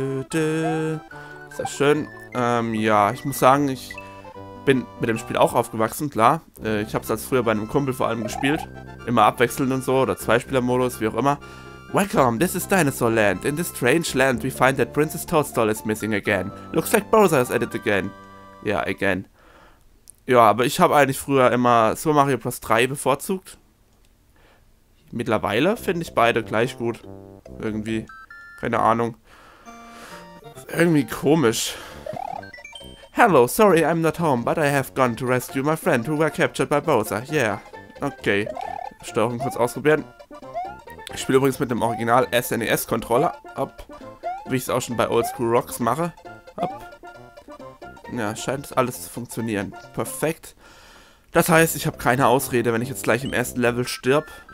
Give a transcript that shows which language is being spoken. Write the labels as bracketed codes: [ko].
[de] Sehr schön. Ja, ich muss sagen, ich bin mit dem Spiel auch aufgewachsen, klar. Ich habe es als früher bei einem Kumpel vor allem gespielt. Immer abwechselnd und so, oder Zweispielermodus, wie auch immer. [en] Welcome, this is Dinosaur Land. In this strange land, we find that Princess Toadstool is missing again. Looks like Bowser is at it again. Yeah, again. [de] Ja, aber ich habe eigentlich früher immer Super Mario Bros. 3 bevorzugt. Mittlerweile finde ich beide gleich gut. Irgendwie, keine Ahnung. Irgendwie komisch. [en] Hello, sorry I'm not home, but I have gone to rescue my friend who were captured by Bowser. Yeah, okay. [de] Steuerung kurz ausprobieren. Ich spiele übrigens mit dem Original SNES-Controller. Ob. Wie ich es auch schon bei Oldschool Rocks mache. Ob. Ja, scheint alles zu funktionieren. Perfekt. Das heißt, ich habe keine Ausrede, wenn ich jetzt gleich im ersten Level sterb.